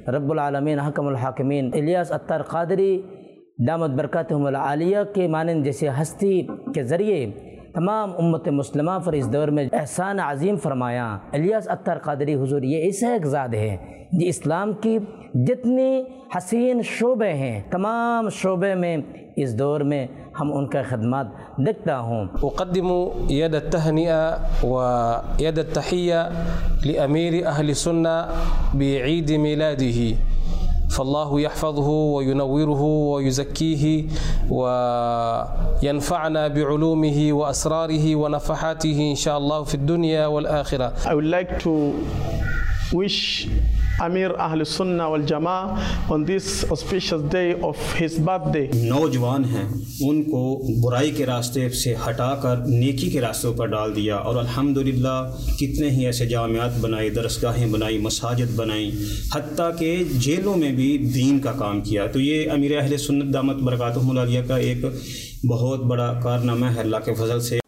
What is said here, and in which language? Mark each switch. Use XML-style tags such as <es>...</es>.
<ur>رب العالمین حکم الحاکمین الیاس عطار قادری دامت برکاتہم العالیہ کے مانند جیسے ہستی کے ذریعے تمام امت مسلمہ پر اس دور میں احسان عظیم فرمایا. الیاس عطار قادری حضور یہ ایسے ایک ذات ہے جو اسلام کی جتنی حسین شعبے ہیں تمام شعبے میں اس دور میں ہم ان کا خدمات دیکھتا ہوں.</ur> <ar>اقدم ید التہنئہ و ید التحیہ لامیر اہل سنہ بعید میلادہ، فالله يحفظه وينوره ويزكيه وينفعنا بعلومه وأسراره ونفحاته إن شاء الله في الدنيا والآخرة.</ar> <en>I would like to wish Amir Ahl Sunnah wal Jamaa on this auspicious day of his birthday.</en> <ur>نوجوان ہیں ان کو برائی کے راستے سے ہٹا کر نیکی کے راستے پر ڈال دیا، اور الحمدللہ کتنے ہی ایسے جامعات بنائے، درسگاہیں بنائی، مساجد بنائیں، حتیٰ کہ جیلوں میں بھی دین کا کام کیا. تو یہ امیر اہل سنت دامت برکاتہم العالیہ کا ایک بہت بڑا کارنامہ ہے اللہ کے فضل سے.</ur>